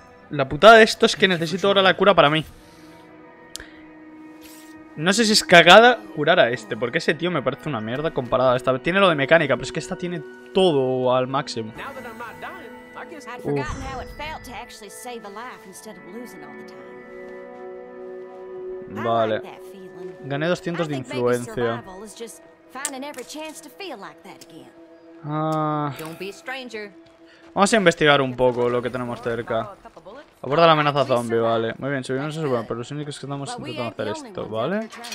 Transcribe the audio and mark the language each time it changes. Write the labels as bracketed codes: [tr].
[es] La putada de esto es que necesito ahora la cura para mí. No sé si es cagada curar a este, porque ese tío me parece una mierda comparado a esta. Tiene lo de mecánica, pero es que esta tiene todo al máximo. Marcus. [en] I'd forgotten how it felt to actually save a life instead of losing all the time. [es] Vale. Gané 200 de influencia. [en] Finding every chance to feel like that again. Don't be a stranger. [es] Vamos a investigar un poco lo que tenemos cerca. Aborda la amenaza zombie, vale. Muy bien, subimos a subir, pero los únicos que estamos intentando hacer esto, ¿vale?